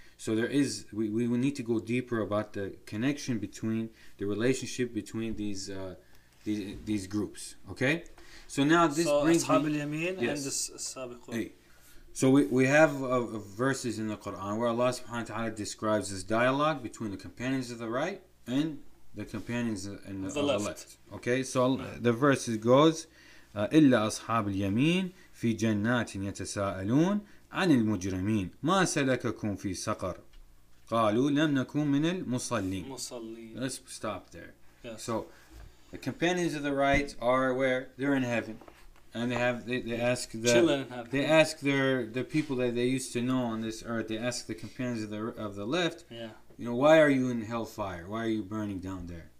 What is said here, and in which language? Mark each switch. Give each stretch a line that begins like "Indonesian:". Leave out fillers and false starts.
English: So there is, we need to go deeper about the connection between, the relationship between these groups. Okay? So now this brings Ashab al-Yameen and the Sabiqun. So we have verses in the Quran where Allah subhanahu wa ta'ala describes this dialogue between the companions of the right and the companions in the left. Okay? So the verses goes,
Arabic: إلا أصحاب اليمين في جنات يتساءلون عن المجرمين ما سلككم في سقر قالوا لم نكن من المصلين.
English: Let's stop there. Yes. So the companions of the right are where? They're in heaven. And they have they ask the people that they used to know on this earth. They ask the companions of the left. Yeah. You know, why are you in hellfire? Why are you burning down there?